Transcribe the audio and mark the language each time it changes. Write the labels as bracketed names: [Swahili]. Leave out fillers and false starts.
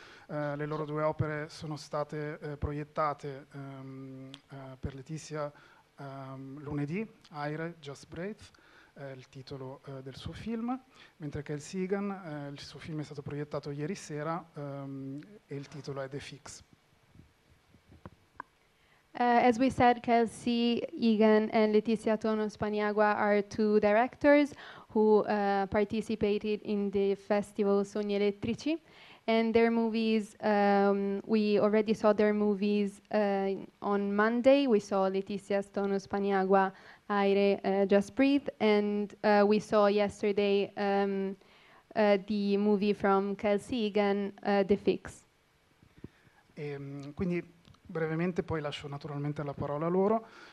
[Italian] Le loro due opere sono state proiettate per Letizia lunedì, Aire, Just Breathe, il titolo del suo film, mentre Kelsey Egan, il suo film è stato proiettato ieri sera e il titolo è The Fix. [English] As we said, Kelsey Egan and Letizia Attono Spaniagua are two directors who participated in the festival Sogni Elettrici, and their movies, we already saw their movies on Monday. We saw Letizia Attono Spaniagua, Aire, Just Breathe, and we saw yesterday the movie from Kelsey Egan, The Fix. [Italian] Quindi brevemente, poi lascio naturalmente la parola a loro.